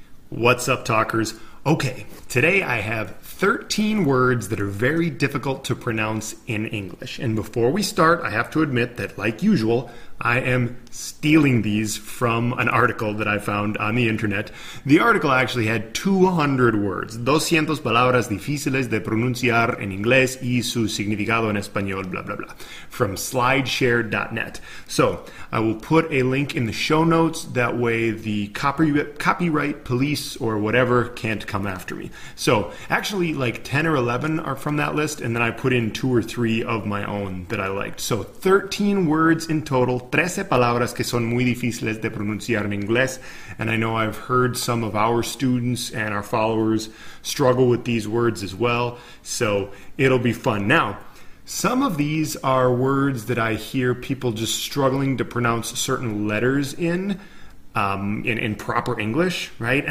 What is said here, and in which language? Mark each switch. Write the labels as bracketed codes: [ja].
[en] What's up, talkers? Okay, today I have 13 words that are very difficult to pronounce in English. And before we start, I have to admit that, like usual, I am stealing these from an article that I found on the internet. The article actually had 200 words. [es] 200 palabras difíciles de pronunciar en inglés y su significado en español, [en] blah, blah, blah, from slideshare.net. So I will put a link in the show notes. That way the copyright police or whatever can't come after me. So actually like 10 or 11 are from that list. And then I put in two or three of my own that I liked. So 13 words in total. [es] 13 palabras que son muy difíciles de pronunciar en inglés. [en] And I know I've heard some of our students and our followers struggle with these words as well. So it'll be fun. Now, some of these are words that I hear people just struggling to pronounce certain letters in proper English, right?